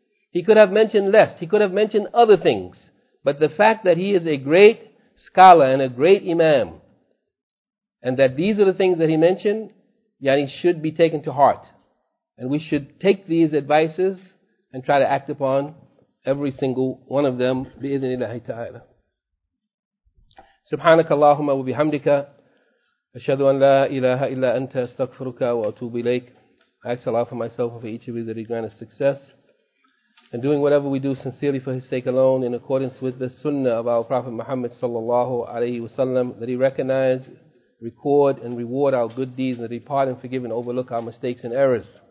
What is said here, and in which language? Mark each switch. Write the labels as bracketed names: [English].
[English] He could have mentioned less. He could have mentioned other things. But the fact that he is a great scholar and a great imam, and that these are the things that he mentioned, yani should be taken to heart. And we should take these advices and try to act upon every single one of them, [Arabic] بإذن الله تعالى. سبحانك اللهم وبحمدك أشهد أن لا إله إلا أنت أستغفرك وأتوب إليك. [English] I ask Allah for myself and for each of you that He grant us success. And doing whatever we do sincerely for His sake alone, in accordance with the Sunnah of our Prophet Muhammad sallallahu alayhi wasallam, that He recognize, record, and reward our good deeds, and that He pardon, forgive, and overlook our mistakes and errors.